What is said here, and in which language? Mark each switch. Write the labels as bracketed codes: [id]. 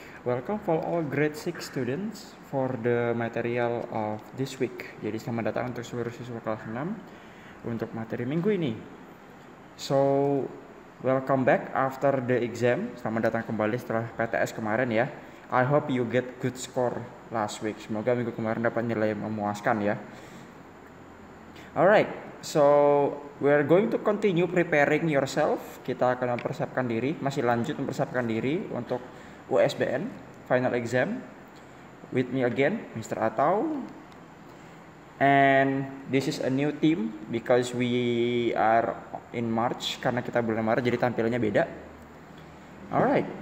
[en] Welcome for all grade 6 students for the material of this week. [id] Jadi selamat datang untuk seluruh siswa kelas 6 untuk materi minggu ini. [en] So, welcome back after the exam. [id] Selamat datang kembali setelah PTS kemarin ya. [en] I hope you get good score last week. [id] Semoga minggu kemarin dapat nilai memuaskan ya. [en] Alright. So, we are going to continue preparing yourself. [id] Kita akan mempersiapkan diri, masih lanjut mempersiapkan diri untuk USBN final exam. [en] With me again, Mr. Atau. And this is a new team because we are in March, [id] karena kita bulan Maret jadi tampilannya beda. [en] Alright.